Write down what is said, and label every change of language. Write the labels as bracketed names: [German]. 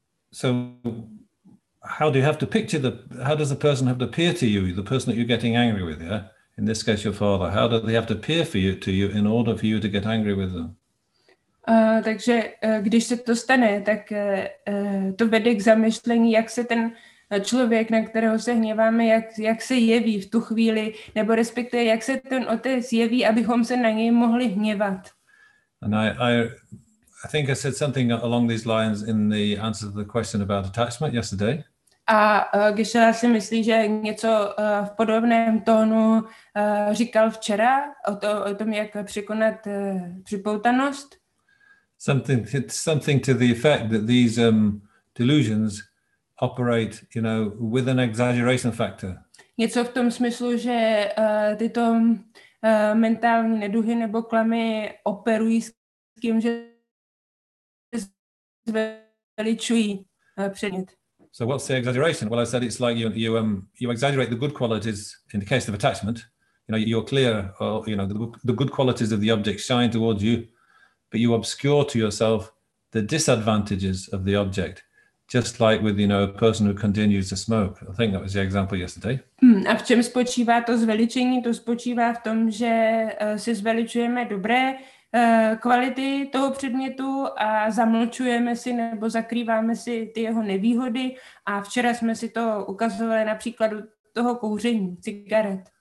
[English] So how do you have to picture how does the person have to appear to you, the person that you're getting angry with, yeah? In this case, your father. How do they have to appear to you in order for you to get angry with them? [Czech] Takže když se to stane, tak to vede k zamyšlení, jak se ten člověk, na kterého se hněváme, jak se jeví v tu chvíli, nebo respektive jak se ten otec jeví, abychom se na něj mohli hněvat. [English] And I think I said something along these lines in the answer to the question about attachment yesterday. [Czech] A Gešela si myslí, že něco v podobném tónu říkal včera o tom, jak překonat připoutanost. [English] Something to the effect that these delusions operate, you know, with an exaggeration factor. [Czech] Něco v tom smyslu, že tyto mentální neduhy nebo klamy operují s tím, že zveličují předmět. [English] So what's the exaggeration? Well, I said it's like you exaggerate the good qualities in the case of attachment. You know, you're clear, or, you know, the good qualities of the object shine towards you, but you obscure to yourself the disadvantages of the object. Just like with, you know, a person who continues to smoke. I think that was the example yesterday. [Czech] A v čem spočívá to zveličení? To spočívá v tom, že si zveličujeme dobré kvality toho předmětu a zamlčujeme si nebo zakrýváme si ty jeho nevýhody. A včera jsme si to ukazovali na příkladu toho kouření cigaret.